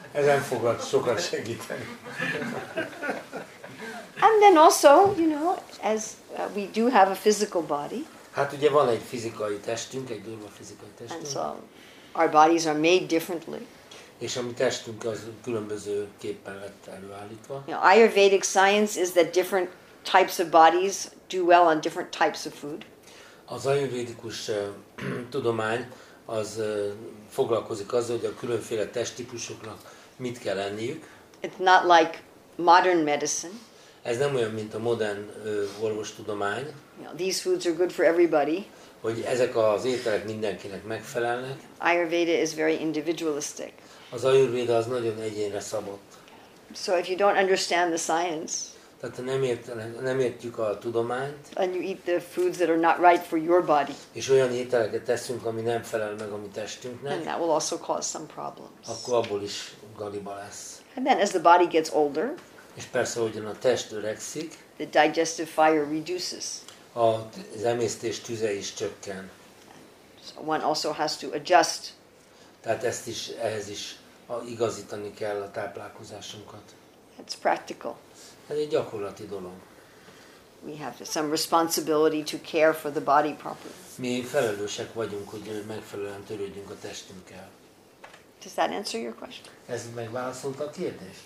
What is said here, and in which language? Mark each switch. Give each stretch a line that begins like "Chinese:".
Hungarian: Ez nem fog sokat segíteni.
English: And then also, you know, as we do have a physical body.
Hungarian: Hát ugye van egy fizikai testünk, egy durva fizikai testünk.
English: And so our bodies are made differently.
Hungarian: És a mi testünk az különböző képpen lett előállítva.
English: You know, Ayurvedic science is that different types of bodies do well on different types of food.
Hungarian: Az ayurvédikus tudomány az foglalkozik azzal, hogy a különféle testtípusoknak mit kell enniük.
English: It's not like modern medicine.
Hungarian: Ez nem olyan, mint a modern orvostudomány.
English: You know, these foods are good for everybody.
Hungarian: Hogy ezek az ételek mindenkinek megfelelnek.
English: Ayurveda is very individualistic.
Hungarian: Az ayurveda az nagyon egyénre szabott.
English: So if you don't understand the science,
Hungarian: tehát nem értjük a tudományt,
English: and you eat the foods that are not right for your body,
Hungarian: és olyan ételeket teszünk, ami nem felel meg a mi testünknek,
English: and that will also cause some problems.
Hungarian: Akkor abból is galiba lesz.
English: And then as the body gets older,
Hungarian: és persze, ahogyan a test öregszik,
English: the digestive fire reduces.
Hungarian: Az emésztés tüze is csökken.
English: So one also has to adjust.
Hungarian: Tehát ezt is, ehhez is igazítani kell a táplálkozásunkat.
English: It's practical.
Hungarian: Ez egy gyakorlati dolog.
English: We have some responsibility to care for the body properly.
Hungarian: Mi felelősek vagyunk, hogy megfelelően törődjünk a testünkkel.
English: Does that answer your question?
Hungarian: Ez megválaszolta a kérdést?